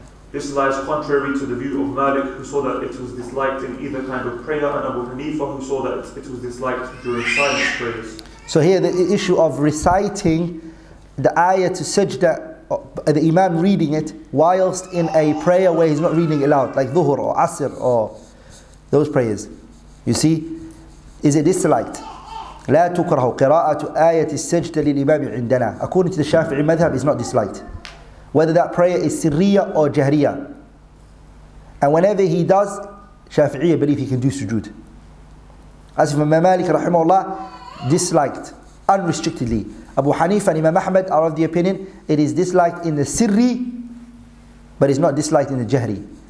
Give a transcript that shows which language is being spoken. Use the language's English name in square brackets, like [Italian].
[English] This lies contrary to the view of Malik, who saw that it was disliked in either kind of prayer, and Abu Hanifa, who saw that it was disliked during silent prayers. So here, the issue of reciting the ayah to sajda, the imam reading it, whilst in a prayer where he's not reading it aloud, like dhuhr or asr or those prayers. You see, is it disliked? [Arabic] لا تكره قراءة آية السجدة للإمام عندنا. [English] According to the Shafi'i madhab, it's not disliked. Whether that prayer is sirriya or jahriya. And whenever he does, Shafi'i believe he can do sujood. As if Imam Malik rahimahullah disliked unrestrictedly. Abu Hanifa and Imam Ahmad are of the opinion it is disliked in the sirri, but it's not disliked in the jahri.